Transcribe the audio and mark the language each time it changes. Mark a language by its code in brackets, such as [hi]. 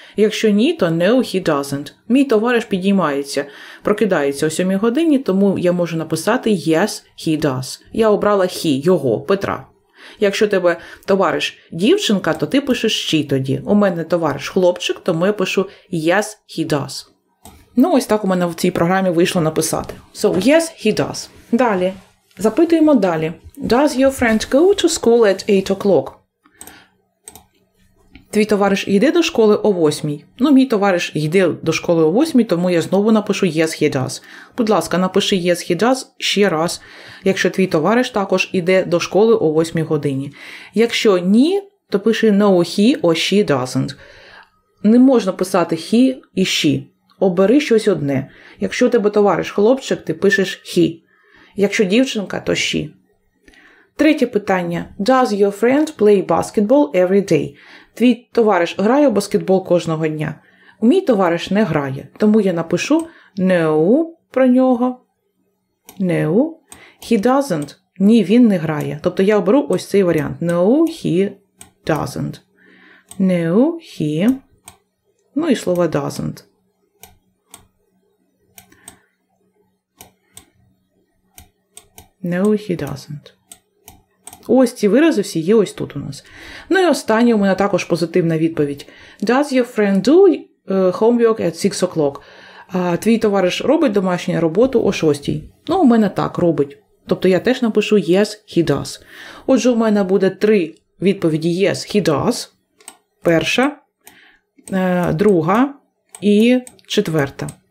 [uk] Якщо ні, то [en] «No, he doesn't». [uk] Мій товариш підіймається, прокидається о 7 годині, тому я можу написати [en] «Yes, he does». [uk] Я обрала «he», його, Петра. Якщо тебе товариш дівчинка, то ти пишеш «she» тоді. У мене товариш хлопчик, тому я пишу [en] «Yes, he does». [uk] Ну, ось так у мене в цій програмі вийшло написати. [en] So, «Yes, he does». [uk] Далі. Запитуємо далі. [en] Does your friend go to school at 8 o'clock? [uk] Твій товариш йде до школи о 8. Ну, мій товариш йде до школи о 8, тому я знову напишу [en] «Yes, he does». [uk] Будь ласка, напиши [en] «Yes, he does» [uk] ще раз, якщо твій товариш також йде до школи о 8 годині. Якщо ні, то пиши [en] «No, he or she doesn't». [uk] Не можна писати «he» і «she». Обери щось одне. Якщо тебе товариш хлопчик, ти пишеш «he». Якщо дівчинка, то «she». Третє питання. [en] Does your friend play basketball every day? [uk] Твій товариш грає в баскетбол кожного дня. Мій товариш не грає, тому я напишу «no» про нього. [en] «No, he doesn't». [uk] Ні, він не грає. Тобто я оберу ось цей варіант. [en] «No, he doesn't». «No, he». [uk] Ну і слово «doesn't». [en] «No, he doesn't». [uk] Ось ці вирази всі є ось тут у нас. Ну і останнє у мене також позитивна відповідь. [en] Does your friend do homework at 6 o'clock? [uk] Твій товариш робить домашню роботу о 6. Ну, у мене так, робить. Тобто я теж напишу [en] yes, he does. [uk] Отже, у мене буде три відповіді yes, he does. Перша, друга і четверта.